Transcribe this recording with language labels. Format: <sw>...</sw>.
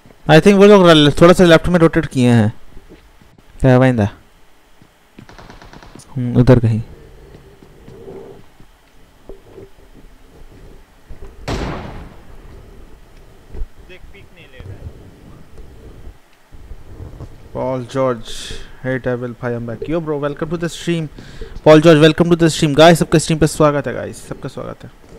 <hi>I think वो लोग थोड़ा सा लेफ्ट में रोटेट किए हैं। क्या वाइंदा उधर कहीं</hi> <en>Paul George, hey devil, bhai, I'm back. Yo bro, welcome to the stream. Paul George, welcome to the stream.</en> <hi>Guys, सबके stream पे स्वागत है, guys. सबके स्वागत है.</hi>